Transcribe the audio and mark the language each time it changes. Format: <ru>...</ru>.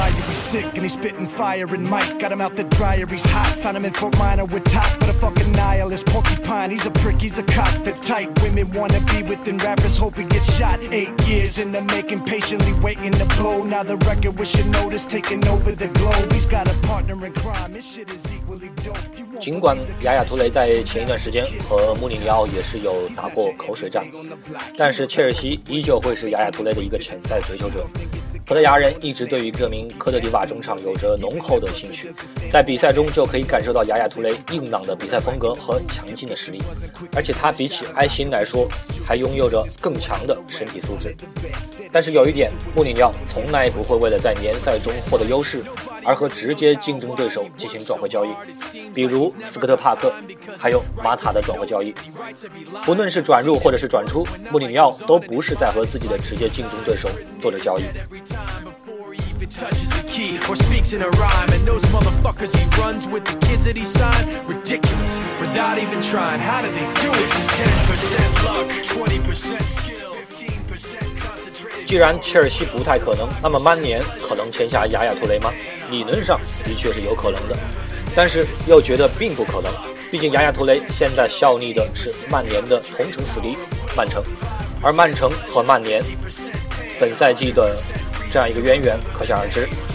<en>Sick and he's spitting fire and Mike got him out the dryer, he's hot, found him in Fort Minor with top, but a fucking nihilist porcupine. He's a prick, he's a cock. The type women wanna be within rappers, hope he gets shot. 8 years in the making, patiently waiting to blow. Now the record with Shinoda's taking over the globe. He's got a partner in crime. This shit is equally dope.</en> <zh>尽管亚亚图雷在前一段时间和穆里尼奥也是有打过口水战，但是切尔西依旧会是亚亚图雷的一个潜在追求者。葡萄牙人一直对于这名科特迪瓦中场有着浓厚的兴趣，在比赛中就可以感受到亚亚图雷硬朗的比赛风格和强劲的实力，而且他比起埃辛来说还拥有着更强的身体素质。但是有一点，穆里尼奥从来不会为了在联赛中获得优势而和直接竞争对手进行转会交易，比如斯科特帕克还有马塔的转会交易。不论是转入或者是转出，穆里尼奥都不是在和自己的直接竞争对手做着交易。</zh> <en>It touches a key or speaks in a rhyme, and those motherfuckers he runs with, the kids that he signed, ridiculous without even trying. How do they do this? Is 10% luck, 20% skill, 15% concentration.</en> <zh>既然切尔西不太可能，那么曼联可能签下亚亚图雷吗？理论上的确是有可能的，但是又觉得并不可能。毕竟亚亚图雷现在效力的是曼联的同城死敌曼城，而曼城和曼联本赛季的这样一个渊源可想而知。</zh>